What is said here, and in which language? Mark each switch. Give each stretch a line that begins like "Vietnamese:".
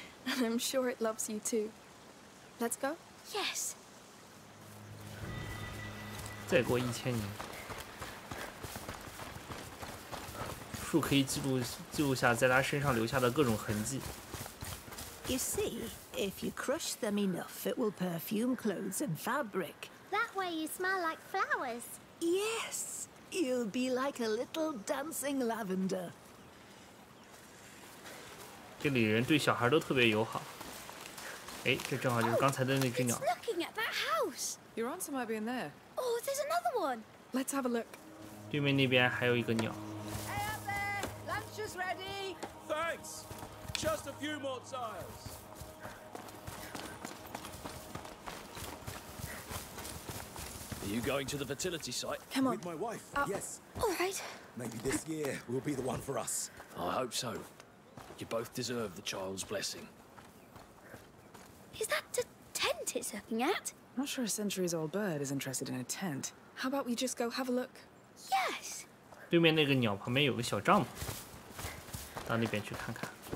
English: And I'm sure it loves you too. Let's go? Yes.
Chinese: 再过一千年，树可以记录下在它身上留下的各种痕迹。
English: You see, if you crush them enough, it will perfume clothes and fabric. That way, you smell like flowers. Yes, you'll be like a little dancing lavender.
Chinese: 这里人对小孩都特别友好。哎，这正好就是刚才的那只鸟。
English: It's looking at that house. Your answer might be in there. Oh, there's another one. Let's have a look.
Chinese: 对面那边还有一个鸟。
English: Hey up there, lunch is ready. Thanks. Just a few more tiles. Are you going to the fertility site? Come on. With my wife. Yes. All right. Maybe this year will be the one for us. I hope so. You both deserve the child's blessing. Is that the tent it's looking at? Not sure a centuries-old bird is interested in a tent. How about we just go have a look? Yes.
Chinese: 对面那个鸟旁边有个小帐篷，到那边去看看。